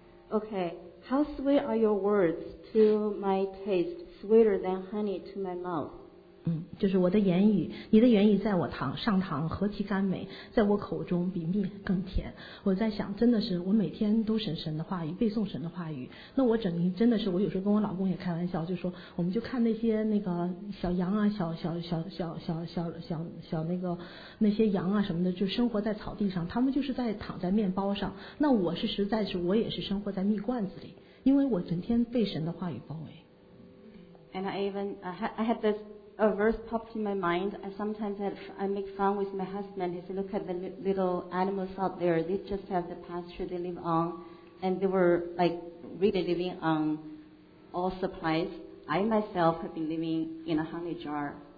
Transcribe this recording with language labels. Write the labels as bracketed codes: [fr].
[en] Okay, how sweet are your words to my taste, sweeter than honey to my mouth. [zh] 就是我的言语，你的言语在我堂上堂何其甘美，在我口中比蜜更甜。我在想，真的是我每天都审神的话语，背诵神的话语。那我整天真的是，我有时候跟我老公也开玩笑，就说我们就看那些那个小羊啊，小那个那些羊啊什么的，就生活在草地上，他们就是在躺在面包上。那我是实在是我也是生活在蜜罐子里，因为我整天被神的话语包围。 [en] And I had this. A verse popped in my mind. I sometimes I make fun with my husband. He said, look at the little animals out there. They just have the pasture they live on. And they were like really living on all supplies. I myself have been living in a honey jar.